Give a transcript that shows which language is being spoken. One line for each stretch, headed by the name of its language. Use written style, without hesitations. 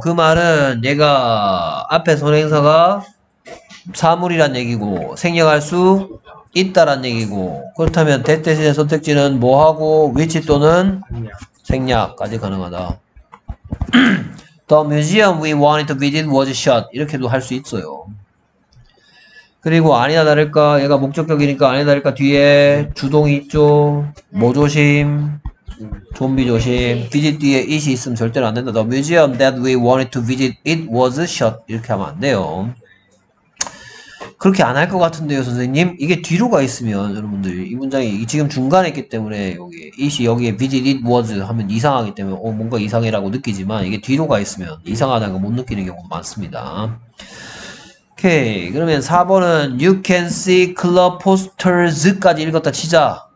Korean: 그 말은 얘가 앞에 선행사가 사물이란 얘기고 생략할 수 있다란 얘기고 그렇다면 대 대신의 선택지는 뭐하고 위치 또는 생략까지 가능하다.
English: The museum we wanted to visit was shut.
Korean: 이렇게도 할 수 있어요. 그리고 아니나 다를까 얘가 목적격이니까 아니나 다를까 뒤에 주동이 있죠. 모조심 좀비 조심 visit 뒤에 it이 있으면 절대로 안된다.
English: The museum that we wanted to visit it was shut.
Korean: 이렇게 하면 안돼요. 그렇게 안 할 것 같은데요, 선생님? 이게 뒤로가 있으면, 여러분들, 이 문장이 지금 중간에 있기 때문에, 여기, it이 여기에 visit it was 하면 이상하기 때문에, 뭔가 이상해라고 느끼지만, 이게 뒤로가 있으면 이상하다는 거 못 느끼는 경우도 많습니다. 오케이. 그러면 4번은,
English: you can see club posters
Korean: 까지 읽었다 치자.